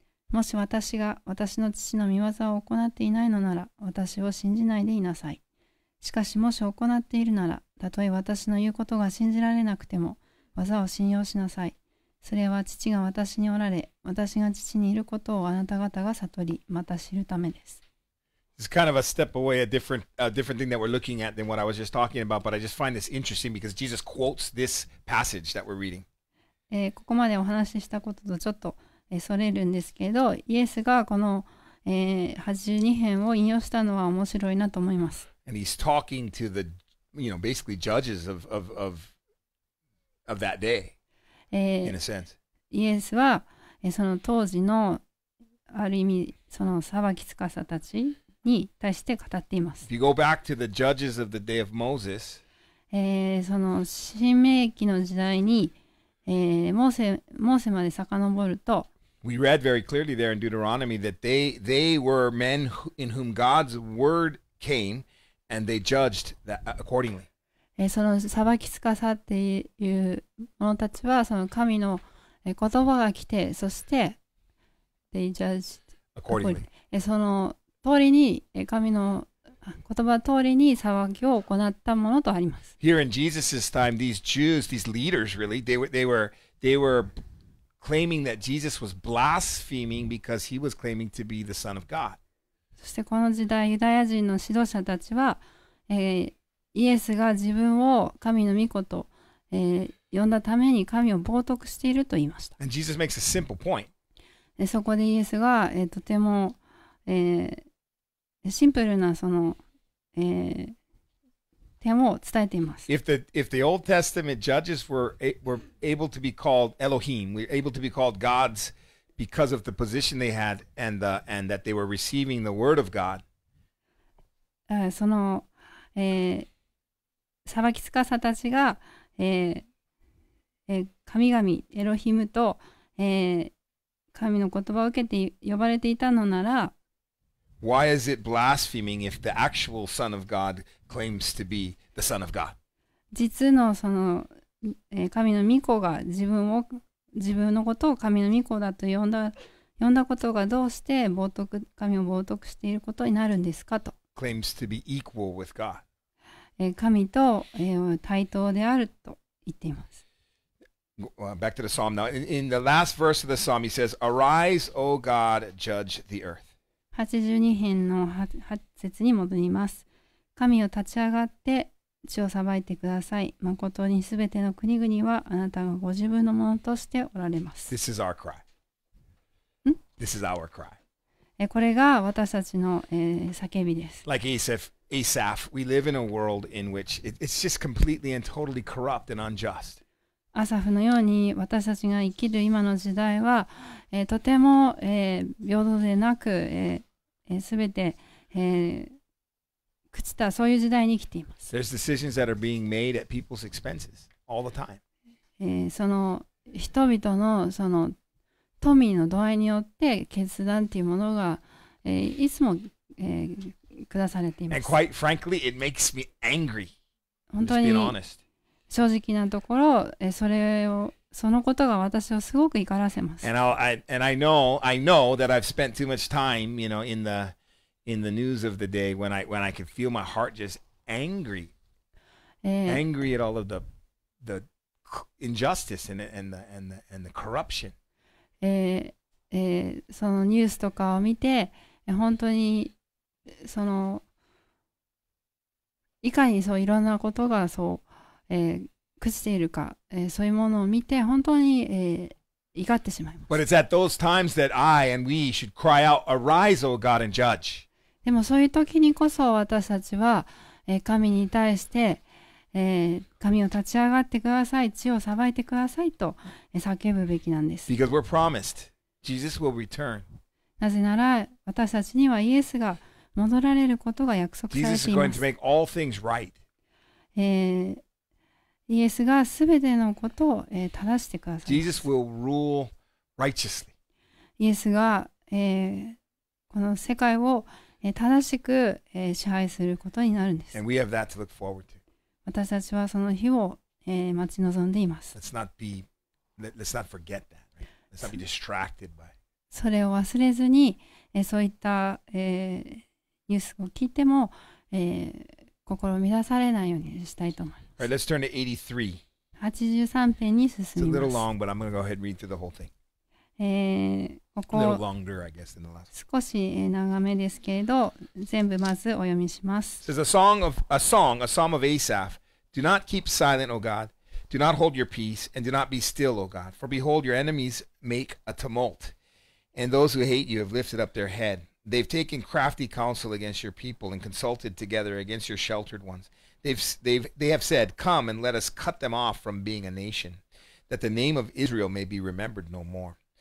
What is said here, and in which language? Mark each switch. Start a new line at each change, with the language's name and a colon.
Japanese: もし私が私の父の御業を行っていないのなら、私を信じないでいなさい。しかしもし行っているなら、たとえ私の言うことが信じられなくても、業を信用しなさい。それは父が私におられ、私が父にいることをあなた方が悟り、また知るためです。
English: It's kind of a step away, a different thing that we're looking at than what I was just talking about, but I just find this interesting because Jesus quotes this passage that we're reading.
Japanese: ここまでお話ししたこととちょっと、それるんですけど、イエスがこの、82編を引用したのは面白いなと思います。
English: And he's talking to the, you know, basically judges of that day, in a sense.
Japanese: イエスは、その当時のある意味、その裁き司たちに対して語っています。
English: If you go back to the judges of the day of Moses,
Japanese: その申命記の時代に、モーセまで遡ると、
English: We read very clearly there in Deuteronomy that they were men in whom God's word came and they judged that accordingly.
Japanese: その裁き司っていう者たちはその神の言葉が来て、そして
English: they judged accordingly.
Japanese: その通りに神の言葉通りに裁きを行ったものとあります。
English: Here in Jesus's time, these Jews, these leaders really, they were claiming that Jesus was blaspheming because he was claiming to be the Son of God.
Japanese: そしてこの時代、ユダヤ人の指導者たちは、イエスが自分を神の御子と、呼んだために神を冒涜していると言いました。
English: And Jesus makes a simple point.
Japanese: そこでイエスが、とても、シンプルなその、点を伝えています。
English: If the Old Testament judges were able to be called Elohim, were able to be called gods because of the position they had and that they were receiving the word of God.
Japanese: その、裁き司たちが、神々、エロヒムと、神の言葉を受けて呼ばれていたのなら、
English: Why is it blaspheming if the actual Son of God claims to be the Son of God?
Japanese: 実のその、神の御子が自分のことを神の御子だと呼んだことがどうして冒涜、神を冒涜していることになるんですかと。
English: Claims to be equal with God.
Japanese: 神と、対等であると言っています。
English: Back to the Psalm now. In the last verse of the Psalm, he says, Arise, O God, judge the earth.
Japanese: 82編の8節に戻ります。神を立ち上がって地を裁いてください。まことにすべての国々はあなたがご自分のものとしておられます。
English: This is our cry. This is our cry.
Japanese: これが私たちの、叫びです。
English: Like Asaph, Asaph, we live in a world in which it's just completely and totally corrupt and unjust.
Japanese: アサフのように私たちが生きる今の時代は、とても、平等でなく、すべて、朽ちたそういう時代に生きています。
English: There's decisions that are being made at people's expenses all the time.
Japanese: その人々のその富の度合いによって決断というものが、いつも、下されています。
English: And quite frankly, it makes me angry.
Japanese: 本当に
English: just being honest.
Japanese: 正直なところ、それをそのことが私をすごく怒らせます。
English: And I know that I've spent too much time, you know, in the news of the day when I can feel my heart just angry. Angry at all of the injustice and the corruption.
Japanese: そのニュースとかを見て、本当にそのいかにそういろんなことがそう、朽ちているか、そういうものを見て本当に、怒ってしまいます。
English: But it's at those times that I and we should cry out, "Arise, O God, and judge."
Japanese: でもそういう時にこそ私たちは、神に対して、神を立ち上がってください、地を裁いてくださいと、叫ぶべきなんです。
English: Because we're promised, Jesus will return.
Japanese: なぜなら私たちにはイエスが戻られることが約束されています。
English: Jesus is going to make all things right.
Japanese: イエスがすべてのことを、正してくださいます。
English: Jesus will rule righteously.
Japanese: イエスが、この世界を、正しく、支配することになるんです。
English: And we have that to look forward to.
Japanese: 私たちはその日を、待ち望んでいます。
English: Let's not forget that. Right? Let's not be distracted by it.
Japanese: それを忘れずに、そういった、ニュースを聞いても、心を乱されないようにしたいと思います。
English: All right, let's turn to
Japanese: 83編に進みます。
English: It's a little long, but I'm going to go ahead and read through the whole thing.
Japanese: ここ
English: a little longer, I guess, than the last one.
Japanese: 少し長めですけれど、全部まずお読みします。
English: It says, a psalm of Asaph. Do not keep silent, O God. Do not hold your peace, and do not be still, O God. For behold, your enemies make a tumult, and those who hate you have lifted up their head. They've taken crafty counsel against your people and consulted together against your sheltered ones. They have said, Come and let us cut them off from being a nation, that the name of Israel may be remembered no more.